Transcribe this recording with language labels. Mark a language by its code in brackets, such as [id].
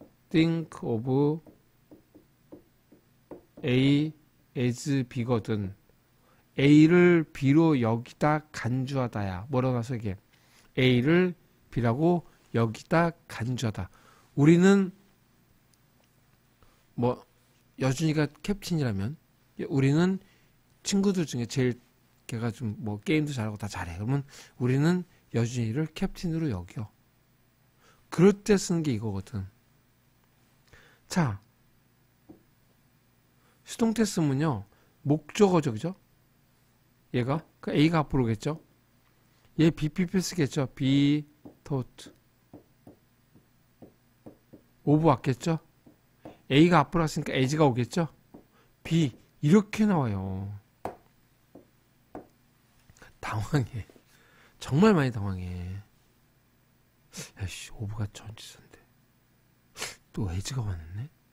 [en] Think of A as bigger than. [ko] A를 B로 여기다 간주하다야. 뭐라고 나서 이게? A를 B라고 여기다 간주하다. 우리는, 뭐, 여준이가 캡틴이라면 우리는 친구들 중에 제일 걔가 좀뭐 게임도 잘하고 다 잘해. 그러면 우리는 여준이를 캡틴으로 여겨. 그럴 때 쓰는 게 이거거든. 자, 수동태 쓰면요 목적어죠, 그죠? 얘가 그 A가 앞으로겠죠? 얘 BPP 쓰겠죠? [en] Be thought of [ko] 왔겠죠? A가 앞으로 왔으니까 as가 오겠죠? B 이렇게 나와요. 당황해. 정말 많이 당황해. 야씨, 오브가 전치사인데 또 as가 왔네.